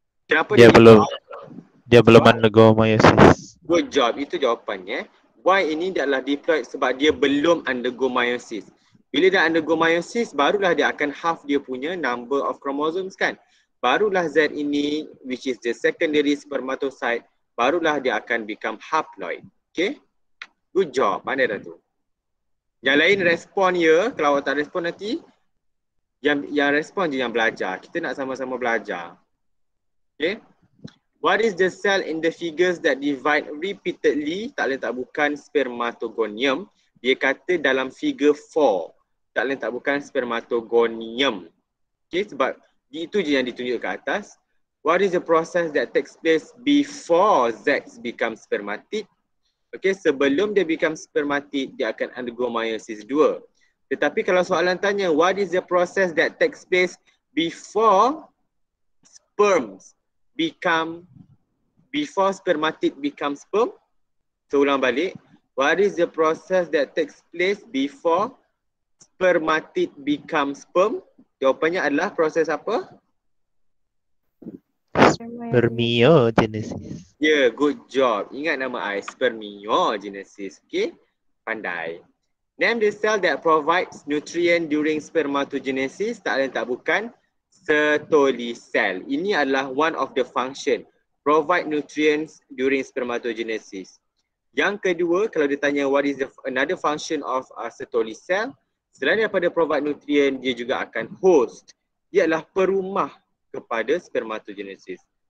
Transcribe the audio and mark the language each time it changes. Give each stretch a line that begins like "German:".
Malay: Kenapa dia diploid? Dia belum undergo meiosis. Good job. Itu jawapannya. Y ini dia adalah diploid sebab dia belum undergo meiosis. Bila dia undergo meiosis, barulah dia akan half dia punya number of chromosomes kan. Barulah Z ini, which is the secondary spermatocyte, barulah dia akan become haploid. Okay? Good job. Pandai dah tu. Yang lain respon ya. Kalau awak tak respon nanti, yang respon je yang belajar. Kita nak sama-sama belajar. Okay?
English: What is the cell in the figures that divide repeatedly?
Malay: Tak boleh tak bukan spermatogonium. Dia kata dalam figure 4. Tak boleh tak bukan spermatogonium. Okay, sebab itu je yang ditunjuk ke atas.
English: What is the process that takes place before sex become spermatid?
Malay: Okay, sebelum dia become spermatid, dia akan undergo meiosis 2. Tetapi kalau soalan tanya, what is the process that takes place before sperms become, before spermatid become sperm? So ulang balik.
English: What is the process that takes place before spermatid become sperm?
Malay: Jawapannya adalah proses apa? Spermiogenesis. Yeah, good job. Ingat nama I, spermiogenesis. Okay, pandai.
English: Name the cell that provides nutrient during spermatogenesis.
Malay: Tak lain tak bukan Sertoli cell.
English: Ini adalah one of the function.
Malay: Provide nutrients during spermatogenesis. Yang kedua, kalau ditanya what is the another function of Sertoli cell, selain daripada provide nutrient, dia juga akan host. Ia adalah perumah kepada spermatogenesis.